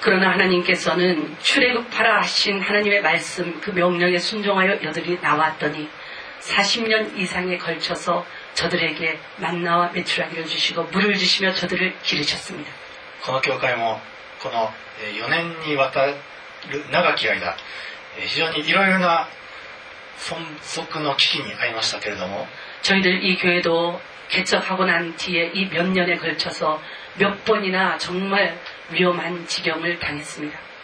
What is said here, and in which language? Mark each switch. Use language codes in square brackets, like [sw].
[ko] 그러나 하나님께서는 출애굽하라 하신 하나님의 말씀 그 명령에 순종하여 여들이 나왔더니 40년 이상에 걸쳐서 저들에게 만나와 메추라기를 주시고 물을 주시며 저들을 기르셨습니다. [ja] この教会もこの4年にわたる長き間非常にいろいろな存続の危機に遭いましたけれども [ko] 저희들 이 교회도 개척하고 난 뒤에 이 몇 년에 걸쳐서 몇 번이나 정말 위험한 지경을 당했습니다.